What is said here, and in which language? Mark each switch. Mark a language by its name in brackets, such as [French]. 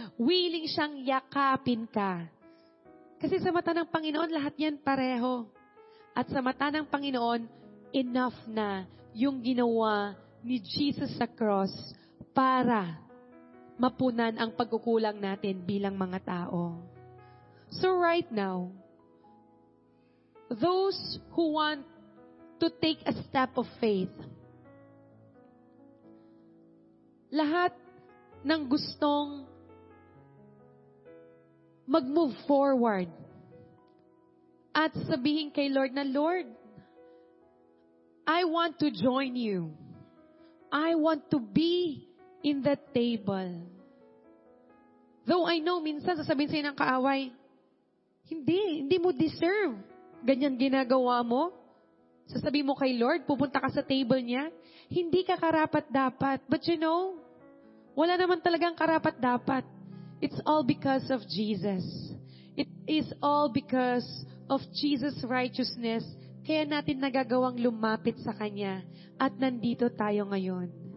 [Filipino] Willing siyang yakapin ka. Kasi sa mata ng Panginoon, lahat yan pareho. At sa mata ng Panginoon, enough na yung ginawa ni Jesus sa cross para mapunan ang pagkukulang natin bilang mga tao. [English] So right now, those who want to take a step of faith, [Filipino] lahat ng gustong mag-move forward at sabihin kay Lord na, [English] Lord, I want to join you. I want to be in that table. Though I know, [Filipino] minsan sasabihin sa'yo ng kaaway, hindi mo deserve. Ganyan ginagawa mo. Sasabihin mo kay Lord, pupunta ka sa table niya, hindi ka karapat-dapat. [English] But you know, [Filipino] wala naman talagang karapat-dapat. [English] It's all because of Jesus. It is all because of Jesus' righteousness. [Filipino] Kaya natin nagagawang lumapit sa Kanya at nandito tayo ngayon.